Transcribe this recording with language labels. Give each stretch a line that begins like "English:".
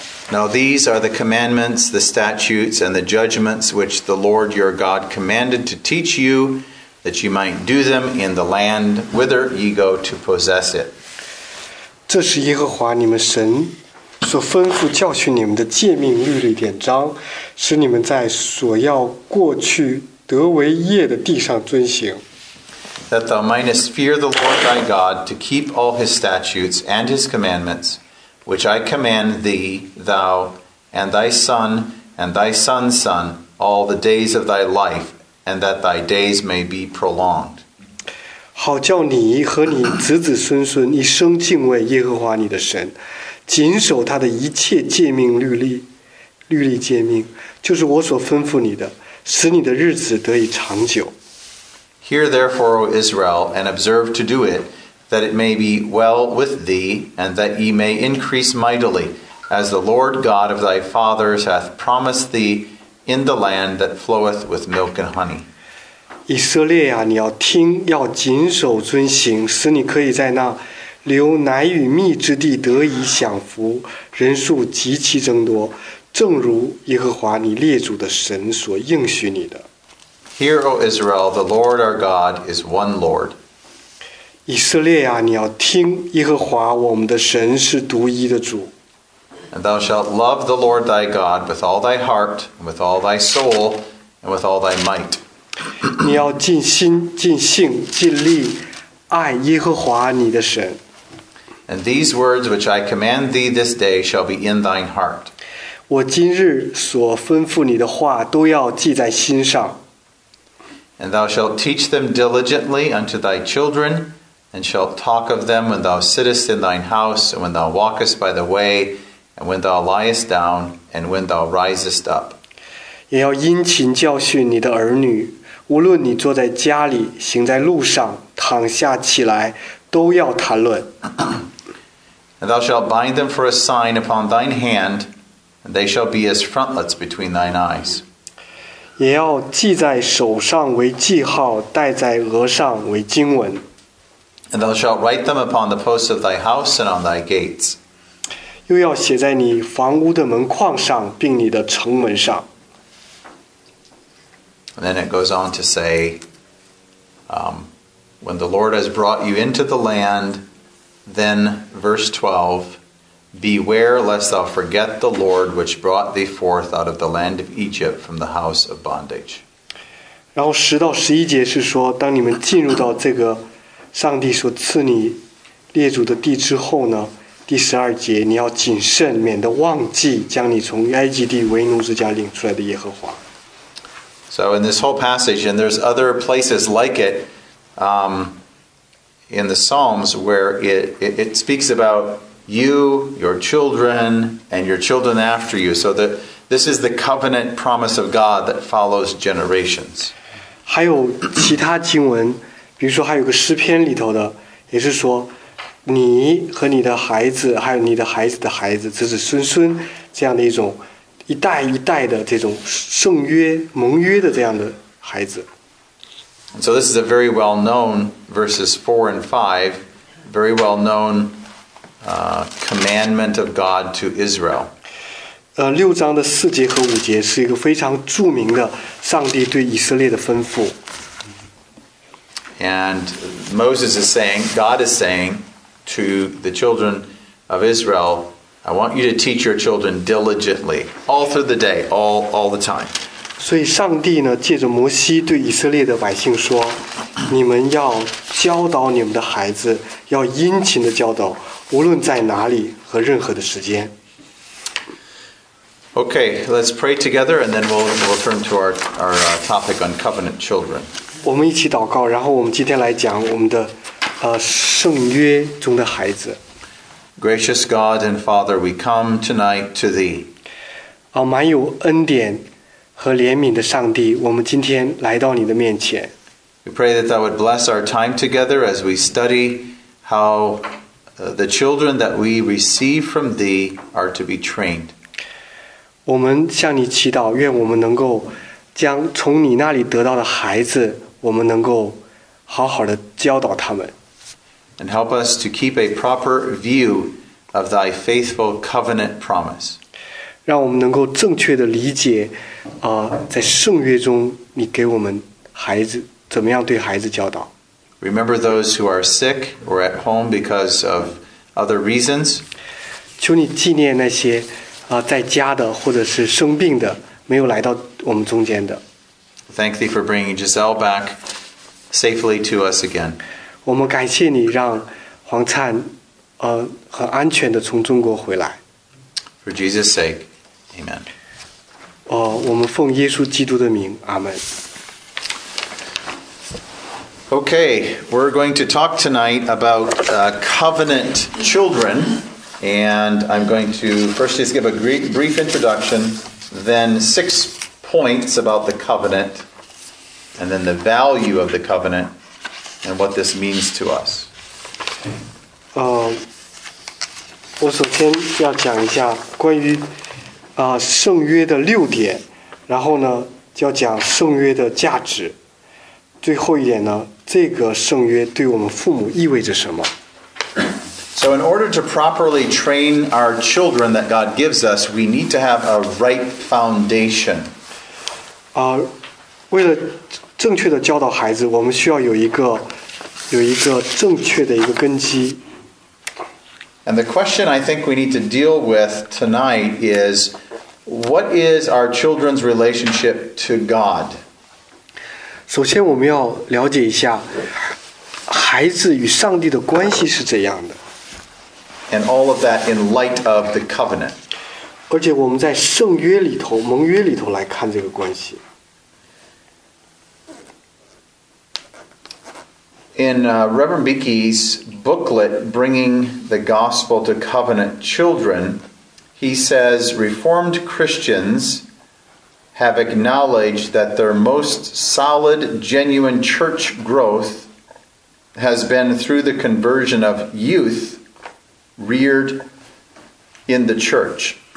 English: Now these are the commandments, the statutes, and the judgments which the Lord your God commanded to teach you, that you might do them in the land whither ye go to possess it.
Chinese: 这是耶和华你们神所吩咐教训你们的诫命律例典章，使你们在所要过去得为业的地上遵行。
English: That thou mightest fear the Lord thy God to keep all his statutes and his commandments. Which I command thee, thou, and thy son, and thy son's son, all the days of thy life, and that thy days may be prolonged.
Chinese: 好叫你和你子子孙孙一生敬畏耶和华你的神，谨守他的一切诫命律例，律例诫命，就是我所吩咐你的，使你的日子得以长久。
English: Hear therefore, O Israel, and observe to do it. That it may be well with thee, and that ye may increase mightily, as the Lord God of thy fathers hath promised thee in the land that floweth with milk and honey.
Chinese: 以色列啊，你要听，要谨守遵行，使你可以在那流奶与蜜之地得以享福，人数极其增多，正如耶和华你列祖的神所应许你的。
English: Hear, O Israel, the Lord our God is one Lord.
Chinese: 以色列啊，你要听，耶和华我们的神是独一的主。
English: And thou shalt love the Lord thy God with all thy heart, with all thy soul, and with all thy might.
Chinese: 你要尽心、尽性、尽力爱耶和华你的神。
English: And these words which I command thee this day shall be in thine heart.
Chinese: 我今日所吩咐你的话都要记在心上。
English: And thou shalt teach them diligently unto thy children. And shalt talk of them when thou sittest in thine house, and when thou walkest by the way, and when thou liest down, and when thou risest up.
Chinese: 也要殷勤教训你的儿女，无论你坐在家里，行在路上，躺下起来，都要谈论。
English: And thou shalt bind them for a sign upon thine hand, and they shall be as frontlets between thine eyes.
Chinese: 也要记在手上为记号，戴在额上为经文。
English: And thou shalt write them upon the posts of thy house and on thy gates.
Chinese: 又要写在你房屋的门框上，并你的城门上。
English: And then it goes on to say, when the Lord has brought you into the land, then verse 12, beware lest thou forget the Lord which brought thee forth out of the land of Egypt from the house of bondage.
Chinese: 然后十到十一节是说，当你们进入到这个上帝所赐你列祖的地之后呢，第十二节你要谨慎，免得忘记将你从埃及地为奴之家领出来的耶和华。
English: So in this whole passage, and there's other places like it, in the Psalms where it speaks about you, your children, and your children after you. So that this is the covenant promise of God that follows generations.
Chinese: 还有其他经文。比如说还有个诗篇里头的也是说你和你的孩子还有你的孩子的孩子子子孙孙这样的一种一代一代的这种圣约盟约的这样的孩子。
English: And so this is a very well known verses 4 and 5, very well known commandment of God to Israel.
Chinese: 六章的四节和五节是一个非常著名的上帝对以色列的吩咐。
English: And Moses is saying, God is saying to the children of Israel, I want you to teach your children diligently, all through the day, all the time.
Chinese: 所以上帝呢，借着摩西对以色列的百姓说，你们要教导你们的孩子，要殷勤的教导，无论在哪里和任何的时间。
English: Okay, let's pray together and then we'll turn to our topic on covenant children.
Chinese: 我们一起祷告，然后我们今天来讲我们的，圣约中的孩子。
English: Gracious God and Father, we come tonight to Thee.
Chinese: 啊，满有恩典和怜悯的上帝，我们今天来到你的面前。
English: We pray that Thou would bless our time together as we study how the children that we receive from thee are to be trained.
Chinese: 我们向你祈祷，愿我们能够将从你那里得到的孩子，我们能够好好的教导他们。
English: And help us to keep a proper view of thy faithful covenant promise.
Chinese: 让我们能够正确的理解，在圣约中你给我们孩子怎么样对孩子教导。
English: Remember those who are sick or at home because of other reasons.
Chinese: 求你纪念那些，在家的或者是生病的，没有来到我们中间的。
English: Thank thee for bringing Giselle back safely to us again.
Chinese: 我们感谢你让黄灿，很安全的从中国回来。
English: For Jesus' sake, Amen.
Chinese: 我们奉耶稣基督的名，阿门。
English: Okay, we're going to talk tonight about covenant children, and I'm going to first just give a brief introduction, then 6 points about the covenant, and then the value of the covenant, and what this means to us.
Chinese: 我首先要讲一下关于圣约的六点，然后呢，就要讲圣约的价值。最后一点呢，这个圣约对我们父母意味着什么？
English: So in order to properly train our children that God gives us, we need to have a right foundation.
Chinese: 为了正确的教导孩子，我们需要有一个正确的一个根基。
English: And the question I think we need to deal with tonight is, what is our children's relationship to God?
Chinese: 首先我们要了解一下孩子与上帝的关系是怎样的。
English: And all of that in light of the covenant.
Chinese: 而且我们在圣约里头、盟约里头来看这个关系。
English: In Reverend Beakey's booklet, Bringing the Gospel to Covenant Children, he says, Reformed Christians... have acknowledged that their most solid, genuine church growth has been through the conversion of youth reared in the church.